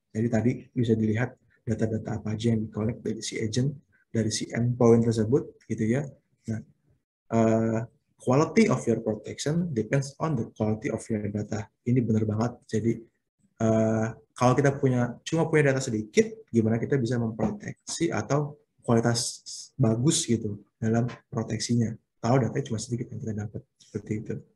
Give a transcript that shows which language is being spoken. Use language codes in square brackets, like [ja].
[id] Jadi tadi bisa dilihat data-data apa aja yang di-collect dari si agent, dari si endpoint tersebut, gitu ya. [en] Nah, quality of your protection depends on the quality of your data. [id] Ini benar banget. Jadi kalau kita cuma punya data sedikit, gimana kita bisa memproteksi atau kualitas bagus gitu dalam proteksinya? Kalau datanya cuma sedikit yang kita dapat, seperti itu.